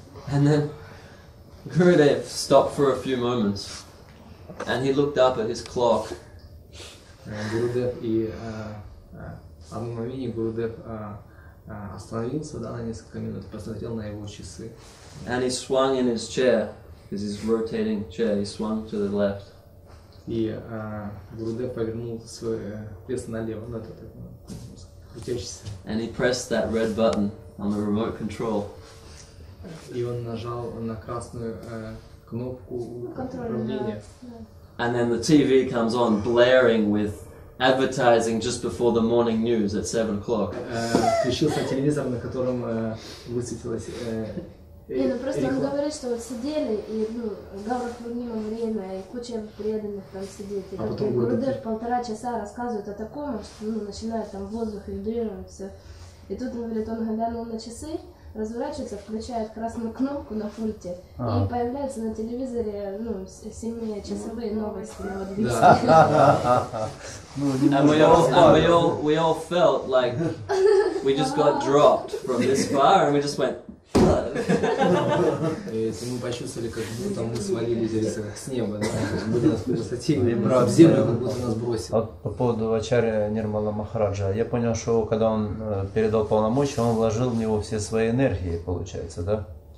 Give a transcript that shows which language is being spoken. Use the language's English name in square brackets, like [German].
[English] And then Gurudev stopped for a few moments and he looked up at his clock. [Russian] Gurudev и одно мгновение Gurudev остановился, да, на несколько минут, посмотрел на его часы. [English] And he swung in his chair, this is rotating chair, he swung to the left. [Russian] И Gurudev повернул свой кресло налево, на этот крутящийся. [English] And he pressed that red button on the remote control. [Russian] И он нажал на красную кнопку управления. [English] And then the TV comes on, blaring with advertising just before the morning news at 7 o'clock. [Russian] Включился телевизор, на котором высветилось... Ну просто он говорит, что вот сидели, и Гаурапурнима время, и куча преданных там сидит. И Гурудев полтора часа рассказывает о таком, что начинает там воздух вибрировать, все. И тут, говорит, он глянул на часы, разворачивается, включает красную кнопку на пульте, и появляются на телевизоре семичасовые новости на английском. [English] And we all felt like we just got dropped from this far, and we just went. [Russian] И мы почувствовали, как будто мы свалились с неба, как будто нас бросили в землю, как будто нас бросили. Вот по поводу Ачарьи Нирмала Махараджа, я понял, что когда он передал полномочия, он вложил в него все свои энергии, получается, да?